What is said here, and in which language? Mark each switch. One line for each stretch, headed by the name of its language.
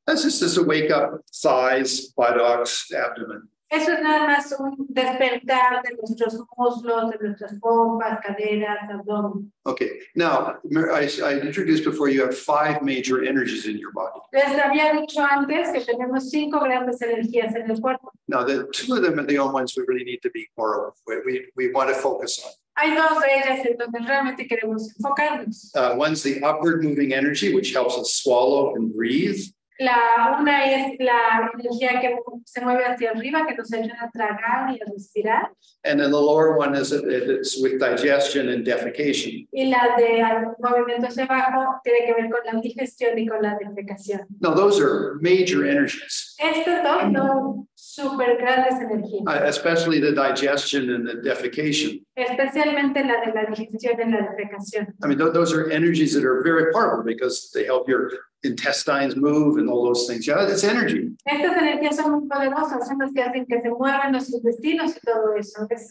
English: That's just a wake up thighs, buttocks, abdomen.
Spanish: Eso es nada más un despertar de nuestros muslos, de nuestras pompas, caderas, abdomen.
English: Okay, now I introduced before you have five major energies in your body.
Spanish: Les había dicho antes que tenemos cinco grandes energías en el cuerpo.
English: Now the two of them are the only ones we really need to be more of. We want to focus on.
Spanish: Hay dos de ellas en donde realmente queremos enfocarnos.
English: One's the upward moving energy, which helps us swallow and breathe.
Spanish: La una es la energía que se mueve hacia arriba, que nos ayuda a tragar y a respirar.
English: And then the lower one is it's with digestion and defecation.
Spanish: Y la de movimiento hacia abajo tiene que ver con la digestión y con la defecación.
English: Now those are major energies.
Spanish: Estas dos son super grandes energías.
English: Especially the digestion and the defecation.
Spanish: Especialmente la de la digestión y la defecación.
English: I mean, those are energies that are very powerful because they help your intestines move and all those things. Yeah, it's energy.
Spanish: Estas energías son muy poderosas, son las que hacen que se muevan los intestinos y todo eso.